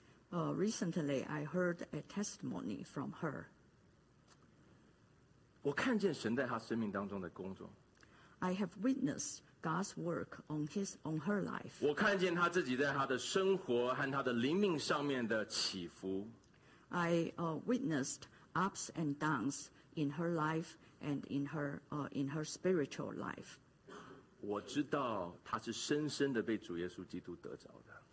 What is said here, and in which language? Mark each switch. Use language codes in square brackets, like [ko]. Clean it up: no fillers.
[en] Recently, I heard a testimony from her. [zh] 我看见神在他生命当中的工作。 [en] I have witnessed God's work on her life. [zh] 我看见他自己在他的生活和他的灵命上面的起伏。 [en] I witnessed ups and downs in her life and in her spiritual life. [zh] 我知道他是深深的被主耶稣基督得着的。